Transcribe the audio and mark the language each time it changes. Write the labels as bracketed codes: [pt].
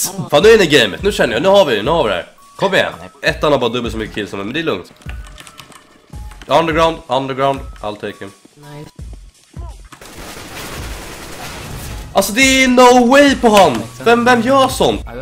[sv] Fan, nu är det i gamet. Nu känner jag, nu har vi det här. Kom igen, ettan har bara dubbelt så mycket kill som en, men det är lugnt. [en] Underground, I'll take him. Nice. [sv] Alltså det är [en] no way [sv] på han! Vem gör sånt?